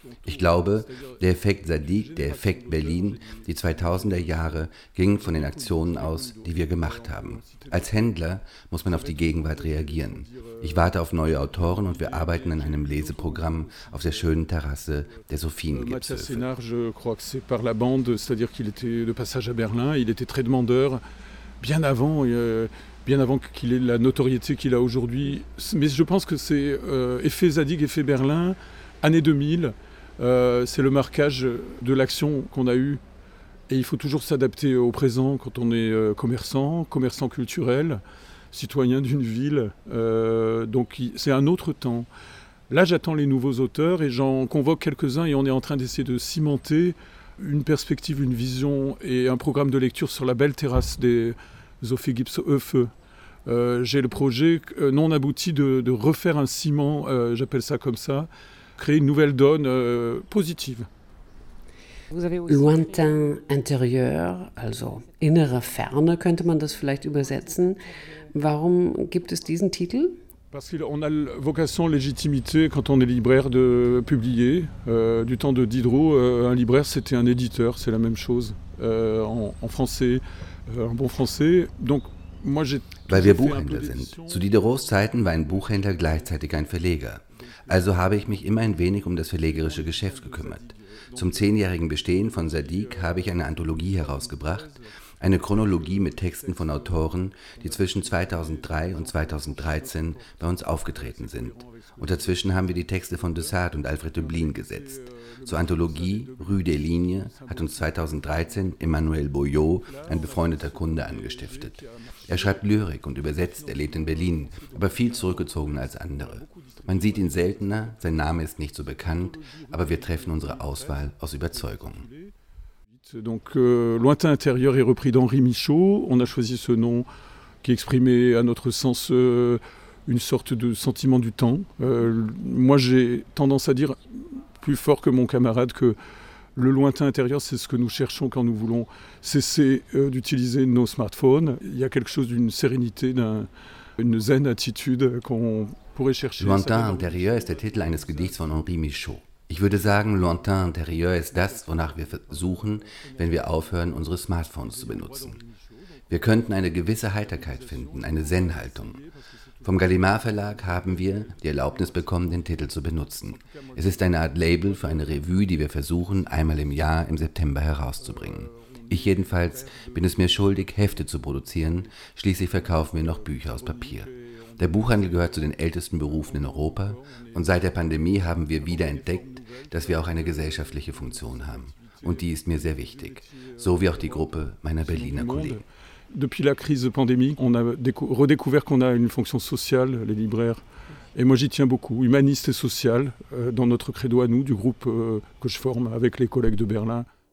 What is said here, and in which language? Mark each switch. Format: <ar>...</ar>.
<de>Ich glaube, der Effekt Sadiq, der Effekt Berlin, die 2000er Jahre, ging von den Aktionen aus, die wir gemacht haben. Als Händler muss man auf die Gegenwart reagieren. Ich warte auf neue Autoren und wir arbeiten an einem Leseprogramm auf der schönen Terrasse der Sophiengipfel.</de> <fr>Matthias Sénard, je crois que c'est par la bande, c'est-à-dire qu'il était de passage à Berlin, il était très demandeur, bien avant qu'il ait la notoriété qu'il a aujourd'hui. Mais je pense que c'est effet Zadig, effet Berlin, année 2000, c'est le marquage de l'action qu'on a eue. Et il faut toujours s'adapter au présent quand on est commerçant culturel, citoyen d'une ville, donc c'est un autre temps. Là, j'attends les nouveaux auteurs et j'en convoque quelques-uns et on est en train d'essayer de cimenter une perspective, une vision et un programme de lecture sur la belle terrasse des Sophiengipfel. J'ai le projet non abouti de refaire un ciment, j'appelle ça comme ça, créer une nouvelle donne positive.</fr> <de>Lointain intérieur, also innere Ferne, könnte man das vielleicht übersetzen. Warum gibt es diesen Titel?</de> <fr>Parce qu'on a vocation légitimité quand on est libraire de publier. Du temps de Diderot, un libraire c'était un éditeur, c'est la même chose en français, en bon français. Donc moi j'ai.</fr> <de>Weil wir Buchhändler sind. Zu Diderots Zeiten war ein Buchhändler gleichzeitig ein Verleger. Also habe ich mich immer ein wenig um das verlegerische Geschäft gekümmert. Zum 10-jährigen Bestehen von Sadiq habe ich eine Anthologie herausgebracht. Eine Chronologie mit Texten von Autoren, die zwischen 2003 und 2013 bei uns aufgetreten sind. Und dazwischen haben wir die Texte von Dessart und Alfred Döblin gesetzt. Zur Anthologie Rue des Lignes hat uns 2013 Emmanuel Boyot, ein befreundeter Kunde, angestiftet. Er schreibt Lyrik und übersetzt, er lebt in Berlin, aber viel zurückgezogener als andere. Man sieht ihn seltener, sein Name ist nicht so bekannt, aber wir treffen unsere Auswahl aus Überzeugung.</de> <fr>Donc Lointain intérieur est repris d'Henri Michaud. On a choisi ce nom qui exprimait à notre sens une sorte de sentiment du temps. Moi j'ai tendance à dire plus fort que mon camarade que le lointain intérieur c'est ce que nous cherchons quand nous voulons cesser d'utiliser nos smartphones. Il y a quelque chose d'une sérénité, d'une zen attitude qu'on pourrait chercher. Lointain intérieur est le titre d'un</fr> <de>Gedicht von</de> <fr>Henri Michaud.</fr> <de>Ich würde sagen, Lointain intérieur ist das, wonach wir suchen, wenn wir aufhören, unsere Smartphones zu benutzen. Wir könnten eine gewisse Heiterkeit finden, eine Zen-Haltung. Vom Gallimard Verlag haben wir die Erlaubnis bekommen, den Titel zu benutzen. Es ist eine Art Label für eine Revue, die wir versuchen, einmal im Jahr im September herauszubringen. Ich jedenfalls bin es mir schuldig, Hefte zu produzieren, schließlich verkaufen wir noch Bücher aus Papier. Der Buchhandel gehört zu den ältesten Berufen in Europa und seit der Pandemie haben wir wieder entdeckt, dass wir auch eine gesellschaftliche Funktion haben. Und die ist mir sehr wichtig, so wie auch die Gruppe meiner Berliner Kollegen.</de> <fr>Depuis la crise pandémique, on a redécouvert qu'on a une fonction sociale, les libraires. Et moi j'y tiens beaucoup, humaniste et social, dans notre credo à nous, du groupe que je forme avec les collègues de Berlin.</fr>